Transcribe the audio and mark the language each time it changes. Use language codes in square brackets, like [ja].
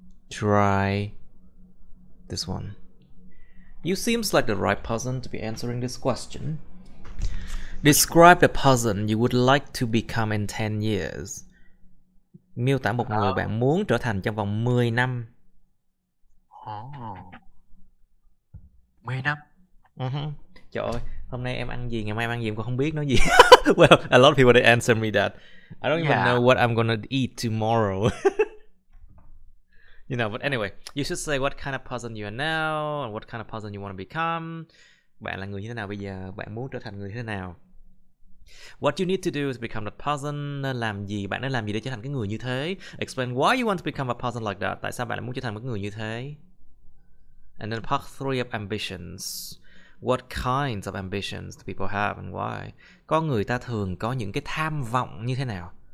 [en] Try this one. You seems like the right person to be answering this question. Describe the person you would like to become in 10 years. [vi] Miêu tả một người bạn muốn trở thành trong vòng 10 năm. Oh. 10 năm. Trời ơi, hôm nay em ăn gì, ngày mai em ăn gì em còn không biết nói gì. [en] Well, a lot of people they answer me that. I don't even know what I'm gonna eat tomorrow. You know, but anyway, you should say what kind of person you are now and what kind of person you want to become. [vi] Bạn là người như thế nào bây giờ? Bạn muốn trở thành người như thế nào? [en] What you need to do is become that person. [vi] Làm gì? Bạn nên làm gì để trở thành cái người như thế? [en] Explain why you want to become a person like that. [vi] Tại sao bạn lại muốn trở thành một người như thế? [en] And then part three of ambitions. What kinds of ambitions do people have and why? [vi] Có người ta thường có những cái tham vọng như thế nào?